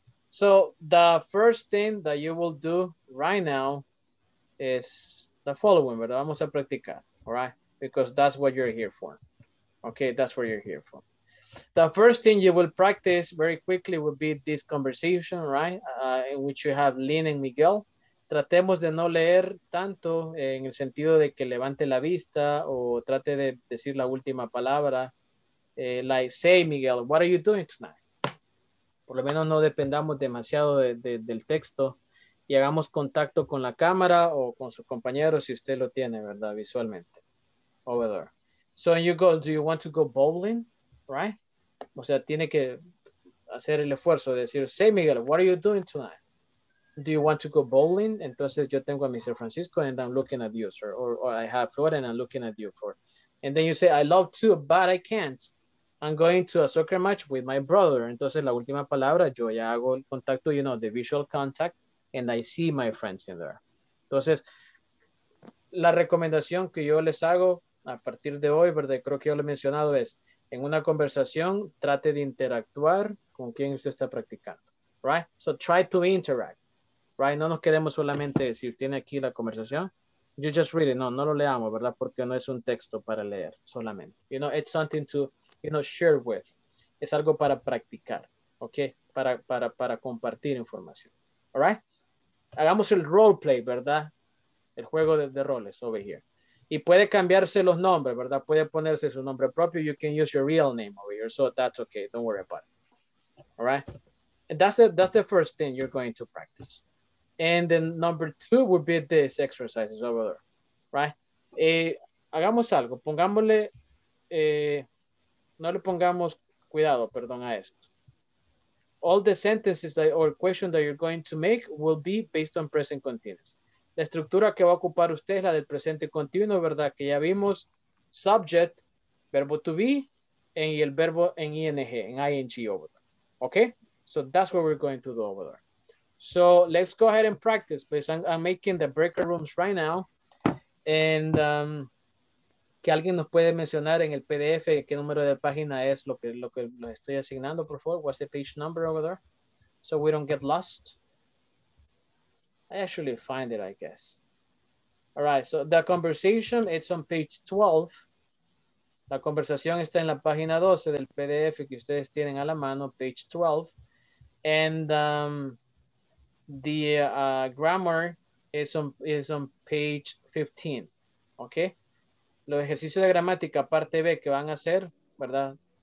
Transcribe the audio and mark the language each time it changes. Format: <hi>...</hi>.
<en>So the first thing that you will do right now is the following, ¿verdad?</en> <es>Vamos a practicar,</es> <en>all right? Because that's what you're here for. Okay, that's what you're here for. The first thing you will practice very quickly will be this conversation, right? In which you have Lynn and Miguel.</en> <es>Tratemos de no leer tanto en el sentido de que levante la vista o trate de decir la última palabra.</es> <en>Like, say, Miguel, what are you doing tonight?</en> <es>Por lo menos no dependamos demasiado del texto y hagamos contacto con la cámara o con su compañero si usted lo tiene, ¿verdad?</es> <en>Visualmente. Over there. So you go, do you want to go bowling?</en> <es>Right? O sea, tiene que hacer el esfuerzo de decir,</es> <en>say, Miguel, what are you doing tonight? Do you want to go bowling?</en> <es>Entonces yo tengo a Mr. Francisco</es> <en>and I'm looking at you, sir. Or I have Flor and I'm looking at you, Flor. And then you say, I love to, but I can't. I'm going to a soccer match with my brother.</en> <es>Entonces la última palabra, yo ya hago el contacto,</es> <en>you know, the visual contact, and I see my friends in there.</en> <es>Entonces, la recomendación que yo les hago a partir de hoy, ¿verdad? Creo que ya lo he mencionado, es en una conversación, trate de interactuar con quien usted está practicando, right?</es> <en>So try to interact.</en> <es>Right, no nos quedemos solamente si tiene aquí la conversación.</es> <en>You just read it.</en> <es>No lo leamos, ¿verdad? Porque no es un texto para leer solamente.</es> <en>You know, it's something to, you know, share with.</en> <es>Es algo para practicar, ¿okay? Para compartir información. All right? Hagamos el role play, ¿verdad? El juego de roles</es> <en>over here.</en> <es>Y puede cambiarse los nombres, ¿verdad? Puede ponerse su nombre propio.</es> <en>You can use your real name over here. So that's okay. Don't worry about it. All right? And that's the first thing you're going to practice. And then number two would be this exercises over there, right?</en> <es>Hagamos algo, pongámosle, no le pongamos cuidado, perdón, a esto.</es> <en>All the sentences that, or questions that you're going to make will be based on present continuous.</en> <es>La estructura que va a ocupar usted es la del presente continuo, ¿verdad? Que ya vimos, subject, verbo to be, y el verbo en ing, en ing</es> <en>over there. Okay? So that's what we're going to do over there. So let's go ahead and practice, please. I'm making the breaker rooms right now.</en> <es>And que alguien nos puede mencionar en el PDF qué número de página es lo que lo estoy asignando, por favor.</es> <en>What's the page number over there? So we don't get lost. I actually find it, I guess. All right, so the conversation, it's on page 12.</en> <es>La conversación está en la página 12 del PDF que ustedes tienen a la mano,</es> <en>page 12. And The grammar is on page 15, okay?</en> <es>Los ejercicios de gramática parte B que van a hacer, ¿verdad?</es>